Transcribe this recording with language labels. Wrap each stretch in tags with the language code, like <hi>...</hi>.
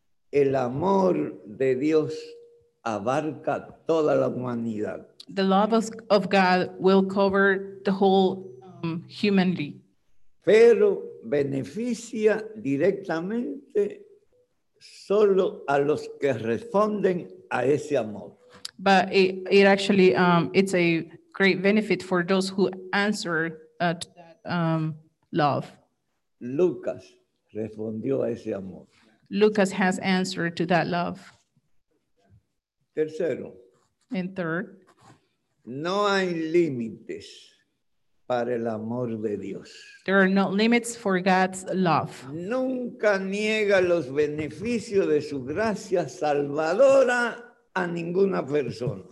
<es>El amor de Dios abarca toda la humanidad.</es> <en>The love of God will cover the whole humanity.</en> <es>Pero beneficia directamente solo a los que responden a ese amor.</es> <en>But it actually, it's a great benefit for those who answer to that love.</en> <es>Lucas respondió a ese amor.</es> <en>Lucas has answered to that love.</en> <es>Tercero.</es> <en>And third.</en> <es>No hay límites para el amor de Dios.</es> <en>There are no limits for God's love.</en> <es>Nunca niega los beneficios de su gracia salvadora a ninguna persona.</es>